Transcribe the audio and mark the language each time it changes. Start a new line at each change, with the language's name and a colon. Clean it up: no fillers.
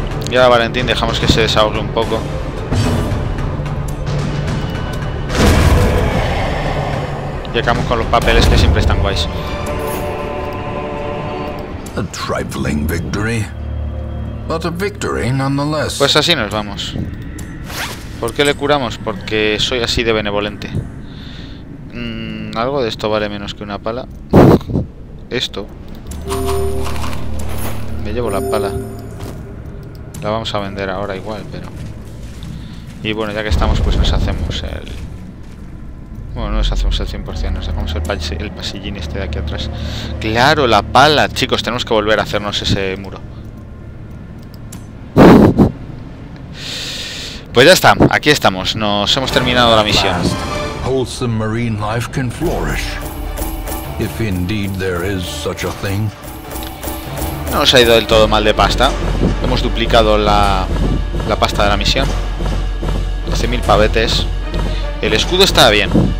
Spanish: Y ahora Valentín, dejamos que se desahogue un poco. llegamos con los papeles que siempre están guays.
English: A trifling victory, but a victory nonetheless.
Spanish: Pues así nos vamos. ¿Por qué le curamos? Porque soy así de benevolente. Algo de esto vale menos que una pala. Esto. Me llevo la pala. La vamos a vender ahora igual, pero... Y bueno, ya que estamos, pues nos hacemos el... Bueno, no nos hacemos el 100%, nos dejamos el pasillín este de aquí atrás. ¡Claro, la pala! Chicos, tenemos que volver a hacernos ese muro. Pues ya está, aquí estamos. Nos hemos terminado la misión.
English: Wholesome marine life can flourish, if indeed there is such a thing.
Spanish: No nos ha ido del todo mal de pasta. Hemos duplicado la pasta de la misión. 12.000 pavetes. El escudo está bien.